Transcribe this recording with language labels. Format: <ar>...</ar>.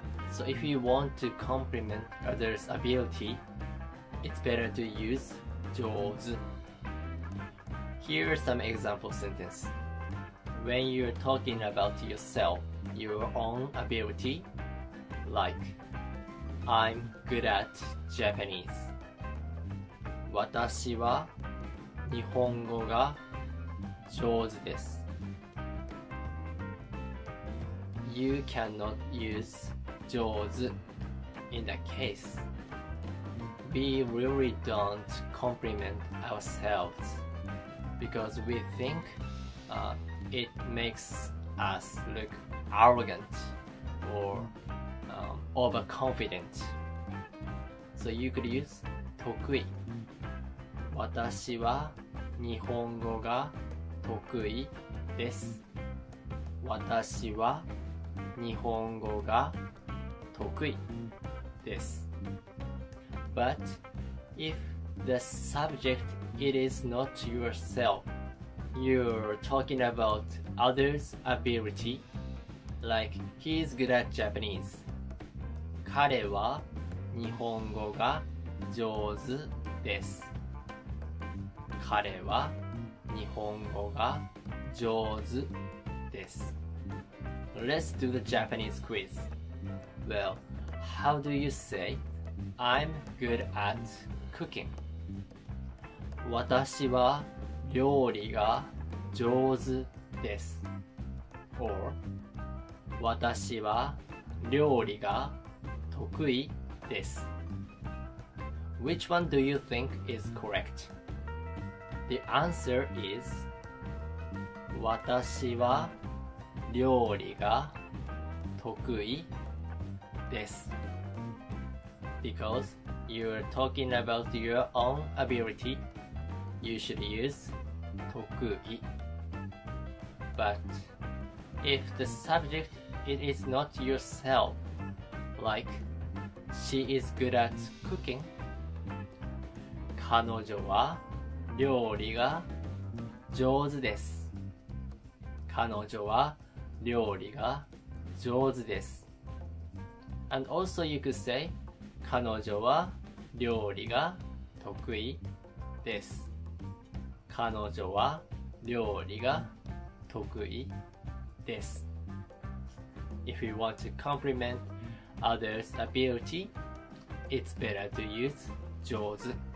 <en>So if you want to complement others' ability, it's better to use 上手 Here are some example sentences. When you're talking about yourself,your own ability like I'm good at Japanese</en> <ja>私は日本語が上手です</ja> <en>You cannot use 上手 in that case We really don't compliment ourselves because we think it makes us lookarrogant or overconfident so you could use 得意</en> <ja>私は日本語が得意です私は日本語が得意です</ja> <en>but if the subject it is not yourself you're talking about others' abilityLike, he's good at Japanese.</en> <ja>彼は日本語が上手です。彼は日本語が上手です。</ja> <en>Let's do the Japanese quiz. Well, how do you say I'm good at cooking?</en> <ja>私は料理が上手です。</ja> <en>Or,</en> <ja>私は料理が得意です。</ja> <en>Which one do you think is correct? The answer is</en> <ja>私は料理が得意です。</ja> <en>Because you are talking about your own ability, you should use 得意。 But if the subjectIt is not yourself, like she is good at cooking.</en> <ja>彼女は料理が上手です。彼女は料理が上手です。</ja> <en>And also you could say,</en> <ja>彼女は料理が得意です。彼女は料理が得意です。</ja> <en>If you want to compliment others' ability, it's better to use 上手。</en>